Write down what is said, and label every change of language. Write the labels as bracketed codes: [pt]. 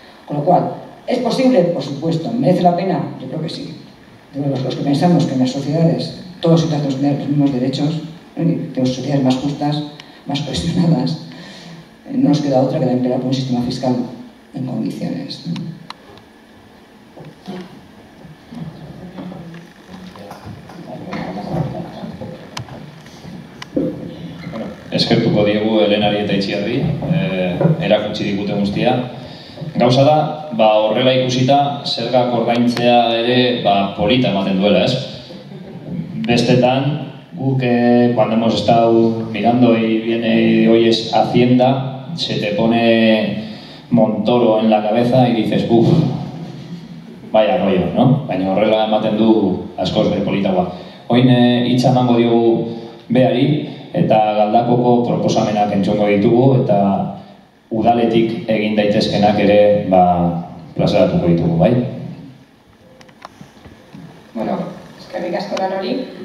[es] Con lo cual, ¿es posible? Por supuesto. ¿Merece la pena? Yo creo que sí. De nuevo, los que pensamos que en las sociedades todos y todas tenemos que tener los mismos derechos, tenemos sociedades más justas, más cohesionadas, no nos queda otra que la imperar por un sistema fiscal en condiciones. [eu] Bueno, eskertuko diegu Elenari eta Itziarri, erakutsi digute guztia. Gauza da, ba, horrela ikusita, zergak ordaintzea ere ba, polita ematen duela, ez? Bestetan, guk, [es] cuando hemos estado mirando y viene hoy es Hacienda, se te pone Montoro en la cabeza y dices, uff, vaya rollo, no? [eu] Baina horrela ematen du askoz de polita guak. Hoin itxan mango diogu beari, eta Galdakoko proposamenak entzongo ditugu, eta udaletik egin daitezkenak ere ba plazaratuko ditugu, bai? Bueno, eskerrik asko da hori.